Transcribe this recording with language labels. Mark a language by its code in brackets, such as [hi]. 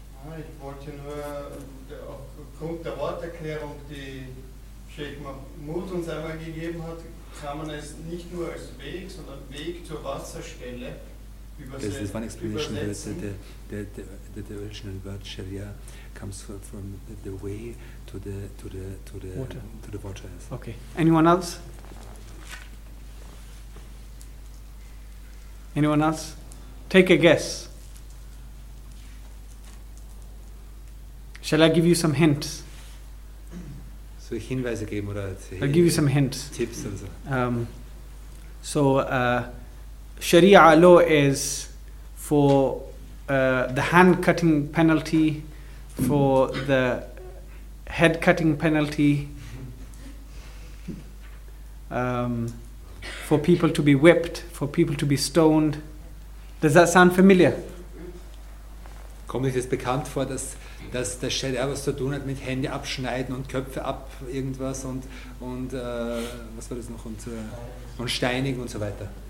[de] I wollte nur aufgrund der Worterklärung, die Sheikh Mahmud uns einmal gegeben hat, kann man es nicht nur als Weg, sondern Weg zur Wasserstelle. [en] This is one explanation that the original word Sharia comes from the way to the water. Yes. Okay. Anyone else? Anyone else? Take a guess. Shall I give you some hints? [de] Soll ich Hinweise geben oder? [en] I'll give you some hints. [de] Tipps also. [en] Sharia law is for the hand cutting penalty, for the head cutting penalty, for people to be whipped, for people to be stoned. Does that sound familiar? [de] Kommt euch das bekannt vor, dass der Sharia was zu tun hat mit Hände abschneiden und Köpfe ab irgendwas und was war das noch und steinigen und so weiter?